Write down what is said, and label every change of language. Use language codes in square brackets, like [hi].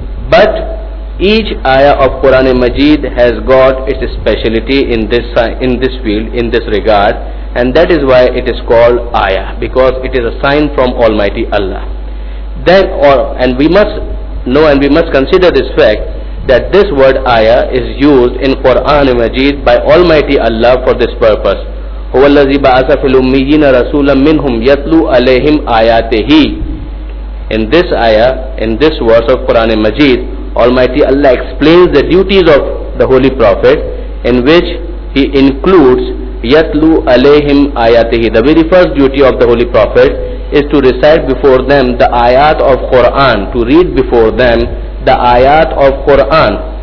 [en] But each ayah of Quran-e-Majeed has got its speciality in this field, in this regard. And that is why it is called ayah, because it is a sign from Almighty Allah. Then, and we must know and we must consider this fact, that this word ayah is used in Quran and Majid by Almighty Allah for this purpose. [ar] هو الذي بعث في الأميين رسولا منهم يتلو عليهم آياته. [en] In this ayah, in this verse of Quran and Majid, Almighty Allah explains the duties of the Holy Prophet, in which he includes [ar] يتلو عليهم آياته. [en] The very first duty of the Holy Prophet is to recite before them the ayat of Quran, to read before them the ayat of Quran.